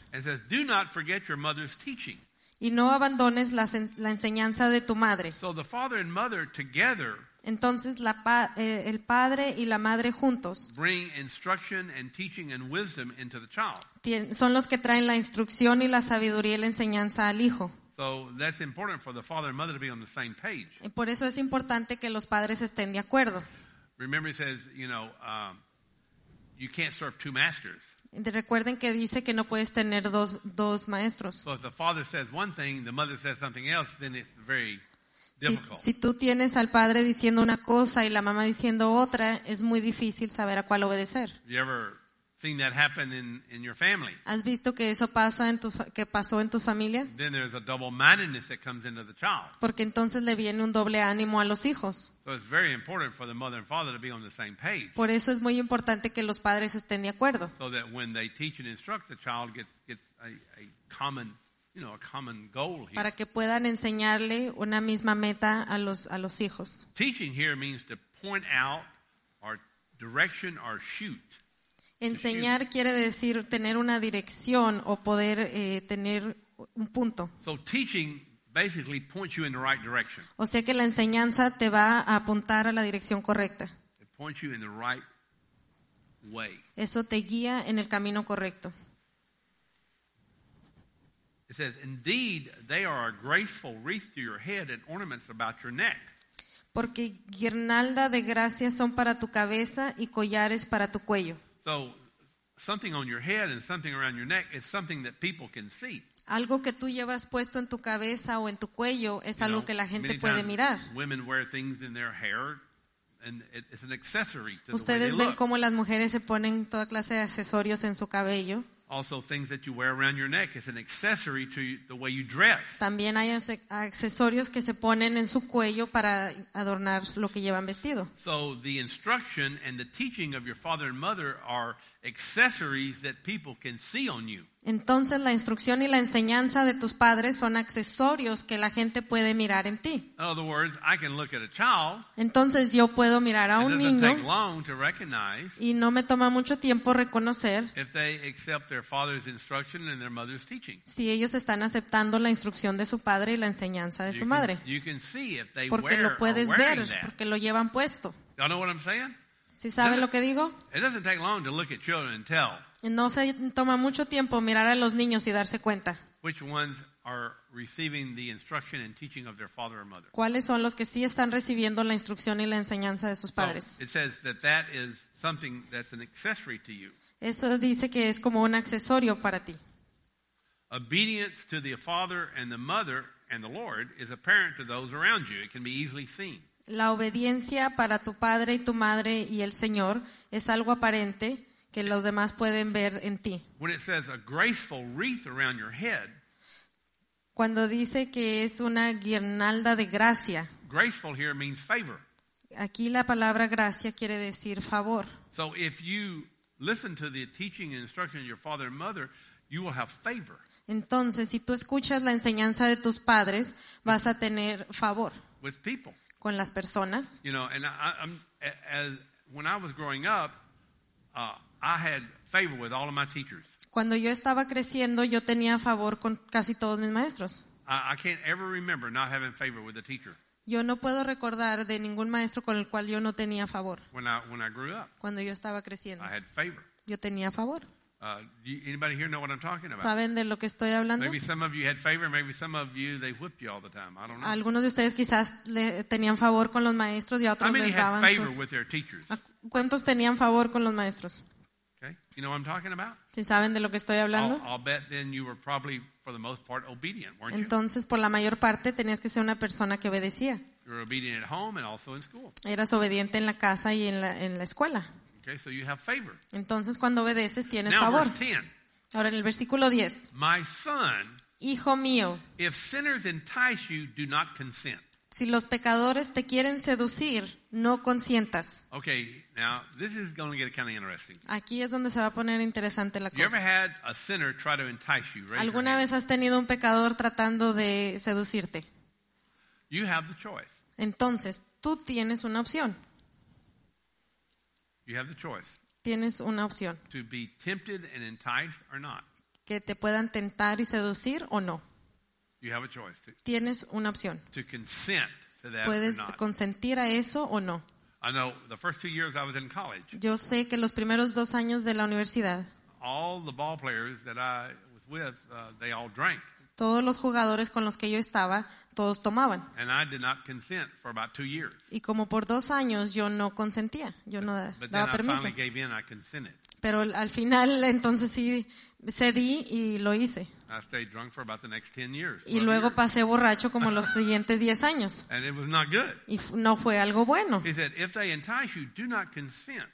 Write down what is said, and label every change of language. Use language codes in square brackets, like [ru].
[en] It says, do not forget your mother's teaching. [es] Y no abandones la enseñanza de tu madre. [en] So the father and mother together. [es] Entonces el padre y la madre juntos. [en] Bring instruction and teaching and wisdom into the child. [es] Son los que traen la instrucción y la sabiduría y la enseñanza al hijo. [en] So that's important for the father and mother to be on the same page. [es] Y por eso es importante que los padres estén de acuerdo. [en] Remember it says, you know, you can't serve two masters. [es] Recuerden que dice que no puedes tener dos maestros. [en] So if the father says one thing, the mother says something else, then it's very [es] Si tú tienes al padre diciendo una cosa y la mamá diciendo otra, es muy difícil saber a cuál obedecer. [en] You ever seen that happen in your family? [es] ¿Has visto que eso pasa que pasó en tu familia? [en] Then there's a double-mindedness that comes into the child. [es] Porque entonces le viene un doble ánimo a los hijos. [en] So it's very important for the mother and father to be on the same page. [es] Por eso es muy importante que los padres estén de acuerdo. [en] So that when they teach and instruct, the child gets a common, you know, a common goal here. [es] Para que puedan enseñarle una misma meta a los hijos. [en] Teaching here means to point out our direction or shoot. [es] Enseñar quiere decir tener una dirección o poder tener un punto. [en] So teaching basically points you in the right direction. [es] O sea que la enseñanza te va a apuntar a la dirección correcta. [en] It points you in the right way. [es] Eso te guía en el camino correcto. [en] It says, indeed, they are a graceful wreath to your head and ornaments about your neck. [es] Porque guirnalda de gracia son para tu cabeza y collares para tu cuello. [en] So, something on your head and something around your neck is something that people can see. [es] Algo que tú llevas puesto en tu cabeza o en tu cuello es algo que la gente puede mirar. [en] Women wear things in their hair. And it's an accessory to the way [es] Ustedes ven [en] look. [es] Cómo las mujeres se ponen toda clase de accesorios en su cabello. [en] Also, things that you wear around your neck is an accessory to the way you dress. [es] También hay accesorios que se ponen en su cuello para adornar lo que llevan vestido. [en] So the instruction and the teaching of your father and mother are accessories that people can see on you. [es] Entonces la instrucción y la enseñanza de tus padres son accesorios que la gente puede mirar en ti. [en] In other words, I can look at a child. [es] Entonces yo puedo mirar a un niño. [en] It doesn't take long to recognize. [es] Y no me toma mucho tiempo reconocer. [en] If they accept their father's instruction and their mother's teaching. [es] Si ellos están aceptando la instrucción de su padre y la enseñanza de su madre. [en] You can see if they wear or wearing that. [es] Porque lo puedes ver, porque lo llevan puesto. [en] Y'all know what I'm saying? [es] ¿Sí saben lo que digo? [en] It doesn't take long to look at children and tell. [es] No se toma mucho tiempo mirar a los niños y darse cuenta. [en] Which ones are receiving the instruction and teaching of their father or mother? [es] ¿Cuáles son los que sí están recibiendo la instrucción y la enseñanza de sus padres? [en] So it says that is something that's an accessory to you. [es] Eso dice que es como un accesorio para ti. [en] Obedience to the father and the mother and the Lord is apparent to those around you. It can be easily seen. [es] La obediencia para tu padre y tu madre y el Señor es algo aparente que los demás pueden ver en ti. [en] When it says a graceful wreath around your head, [es] Cuando dice que es una guirnalda de gracia. [en] Graceful here means favor. [es] Aquí la palabra gracia quiere decir favor. [en] So if you listen to the teaching and instruction of your father and mother, you will have favor. [es] Entonces, si tú escuchas la enseñanza de tus padres, vas a tener favor. [en] With people. [es] Con las personas. [en] You know, and when I was growing up, I had favor with all of my teachers. [es] Cuando yo estaba creciendo, yo tenía favor con casi todos mis maestros. [en] I can't ever remember not having favor with a teacher. [es] Yo no puedo recordar de ningún maestro con el cual yo no tenía favor. [en] When I grew up, [es] cuando yo estaba creciendo, [en] I had favor. [es] Yo tenía favor. [en] Anybody here know what I'm talking about? [es] ¿Saben de lo que estoy hablando? [en] Maybe some of you had favor, maybe some of you they whipped you all the time. I don't know. [es] Algunos de ustedes quizás tenían favor con los maestros y a otros les daban [en] favor [es] sus... [en] with their teachers. [es] ¿Cuántos tenían favor con los maestros? [en] Okay. You know what I'm talking about? [es] ¿Sí saben de lo que estoy hablando? [en] I'll bet then you were probably for the most part obedient, weren't you? [es] Entonces, por la mayor parte tenías que ser una persona que obedecía. [en] You're obedient at home and also in school. [es] Eras obediente en la casa y en la escuela. [en] Okay, so you have favor. [es] Entonces, cuando obedeces, tienes [en] now, [es] favor. [en] Verse 10. [es] Ahora en el versículo 10. [en] My son, [es] hijo mío, [en] if sinners entice you, do not consent. [es] Si los pecadores te quieren seducir, no consientas. [en] Okay, now this is going to get kind of interesting. [es] Aquí es donde se va a poner interesante la cosa. [en] You ever had a sinner try to entice you? [es] ¿Alguna vez has tenido un pecador tratando de seducirte? [en] You have the choice. [es] Entonces, tú tienes una opción. [en] You have the choice. [es] Tienes una opción. [en] To be tempted and enticed or not. [es] Que te puedan tentar y seducir o no. [en] You have a choice. [es] Tienes una opción. [en] To consent to that. [es] Puedes consentir a eso o no. [en] I know the first 2 years I was in college. [es] Yo sé que los primeros 2 años de la universidad. [en] All the ball players that I was with, they all drank. [es] Todos los jugadores con los que yo estaba, todos tomaban. [en] And I did not consent for about 2 years. [es] Y como por 2 años yo no consentía, yo no daba permiso. [en] But then I finally gave in, I consented. [es] Pero al final entonces sí cedí y lo hice. [en] I stayed drunk for about the next 10 years. [es] Y luego [en] years. [es] Pasé borracho como los siguientes 10 años. [en] And it was not good. [es] Y no fue algo bueno. [en] He said, if they entice you, do not consent.